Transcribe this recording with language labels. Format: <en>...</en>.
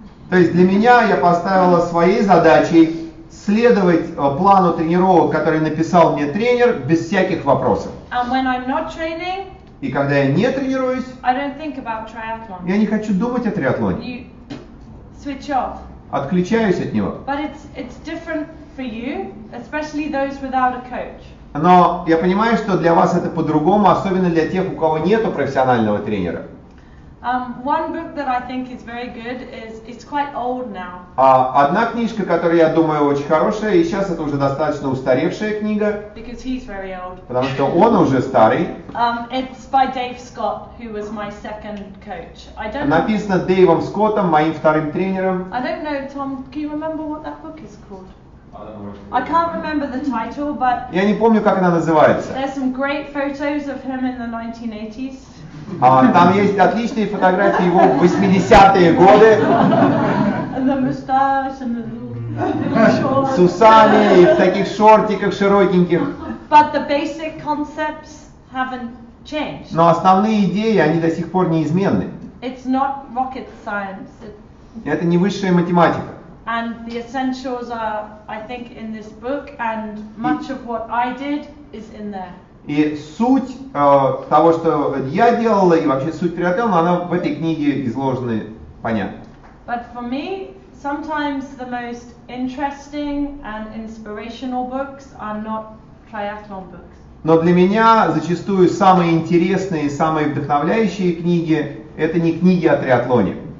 <ru>То есть для меня я поставила своей задачей следовать плану тренировок, который написал мне тренер, без всяких вопросов.</ru> <en>And when I'm not training,</en> <ru>и когда я не тренируюсь,</ru> <en>I don't think about triathlon.</en> <ru>Я не хочу думать о триатлоне.</ru> <en>You switch off.</en> <ru>Отключаюсь от него.</ru> <en>But it's different for you, especially those without a coach.</en> <ru>Но я понимаю, что для вас это по-другому, особенно для тех, у кого нету профессионального тренера.</ru> <en>One book that I think is very good is it's quite old now.</en> <ru>Одна книжка, которая, я думаю, очень хорошая, и сейчас это уже достаточно устаревшая книга.</ru> <en>Because he's very old.</en> <ru>Потому что он уже старый.</ru> <en>It's by Dave Scott, who was my second coach.</en> <ru>Написано Дэйвом Скоттом, моим вторым тренером.</ru> <en>I don't know, Tom, can you remember what that book is called? I can't remember the title, but</en> <ru>я не помню, как она называется.</ru> <en>There's some great photos of him in the 1980s.</en> <ru>Там есть отличные фотографии его в 80-е годы.</ru> <en>And the mustache and the shorts.</en> <ru>С усами и в таких шортиках широкеньких.</ru> <en>But the basic concepts haven't changed.</en> <ru>Но основные идеи, они до сих пор неизменны.</ru> <en>It's not rocket science.</en> <ru>Это не высшая математика.</ru> <en>And the essentials are, I think, in this book, and much of what I did is in there.</en> <ru>И суть того, что я делала, и вообще суть триатлона, она в этой книге изложена, понятно.</ru> <en>But for me, sometimes the most interesting and inspirational books are not triathlon books.</en> <ru>Но для меня зачастую самые интересные, самые вдохновляющие книги – это не книги о триатлоне.</ru>